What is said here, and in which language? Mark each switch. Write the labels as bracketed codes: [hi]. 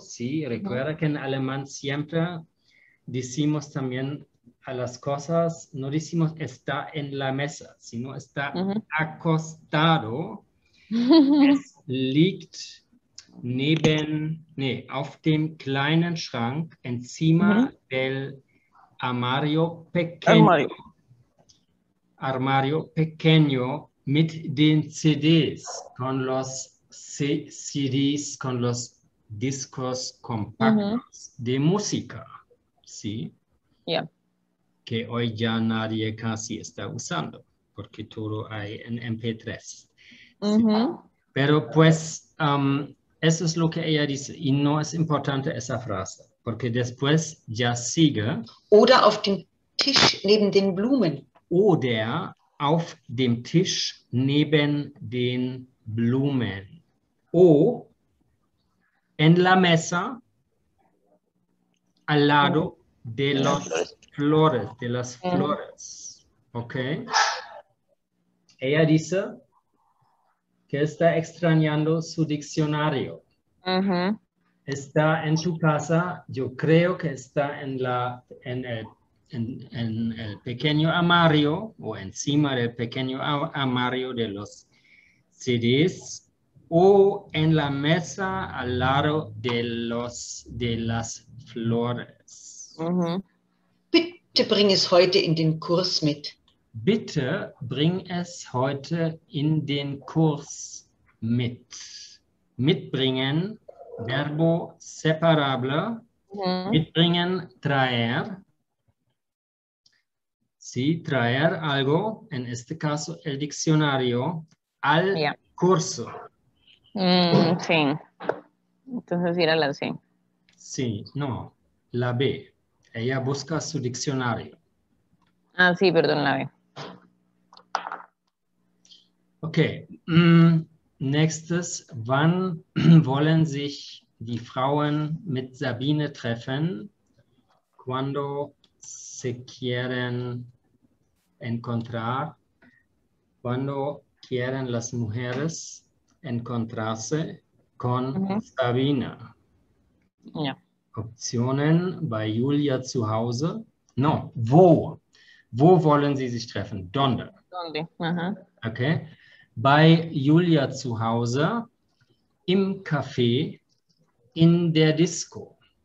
[es] Sí, recuerda que en alemán siempre decimos también a las cosas, no decimos está en la mesa, sino está acostado. [de] Es liegt neben, nee, auf dem kleinen Schrank, [es] encima del armario pequeño. Armario pequeño [de] mit den CDs, [es] con los CDs, con los discos compactos de música, ¿sí? Yeah. Que hoy ya nadie casi está usando, porque todo hay en MP3. ¿Sí? Pero pues, eso es lo que ella dice, y no es importante esa frase, porque después ya sigue. [de] Oder auf dem Tisch neben den Blumen. Oder auf dem Tisch neben den Blumen. [es] O en la mesa al lado de las flores. De las flores. Ok. Ella dice que está extrañando su diccionario. Uh-huh. Está en su casa. Yo creo que está en la... En el pequeño armario o encima del pequeño armario de los CDs o en la mesa al lado de los de las flores. [de] Bitte bring es heute in den Kurs mit. Bitte bring es heute in den Kurs mit. [es] Mitbringen, verbo separable, mitbringen, traer. Sí, traer algo, en este caso el diccionario, al curso. Sí. Entonces ir a la C. Sí, no, la B. Ella busca su diccionario. Ah, sí, perdón, la B. [de] Ok. Nächstes. ¿Wann wollen sich die Frauen mit Sabine treffen? [es] ¿Cuándo se quieren encontrar, cuando quieren las mujeres encontrarse con Sabina? [de] Optionen bei Julia zu Hause. No, wo? Wo wollen Sie sich treffen? [es] Donde. Donde. Okay. [de] Bei Julia zu Hause, im Café, in der Disco.